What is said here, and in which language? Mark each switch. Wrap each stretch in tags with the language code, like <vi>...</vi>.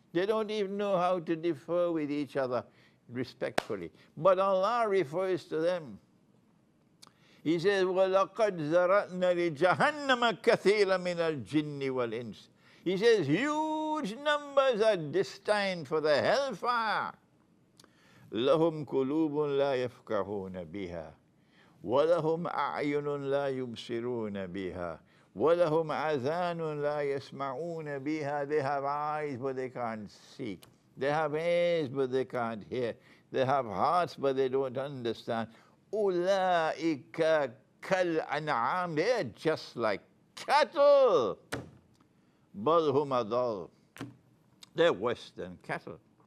<en>They don't even know how to differ with each other respectfully. But Allah refers to them. He says,</en> <ar>وَلَقَدْ زَرَأْنَا لِجَهَنَّمَ كَثِيرًا مِنَ الْجِنِّ وَالْإِنسِ</ar> <en>He says, huge numbers are destined for the hellfire.</en> <ar>لَهُمْ قُلُوبٌ لَا يَفْقَهُونَ بِهَا وَلَهُمْ أَعْيُنٌ لَا يُبْصِرُونَ بِهَا وَلَهُمْ أَذَانٌ لَا يَسْمَعُونَ بِهَا</ar> <en>They have eyes, but they can't see. They have ears, but they can't hear. They have hearts, but they don't understand.</en> <ar>أُولَٰئِكَ كَالْأَنْعَامِ</ar> <en>They are just like cattle.</en> <ar>بَلْ هُمْ أَضَلُّ</ar> <en>They're worse than cattle.</en>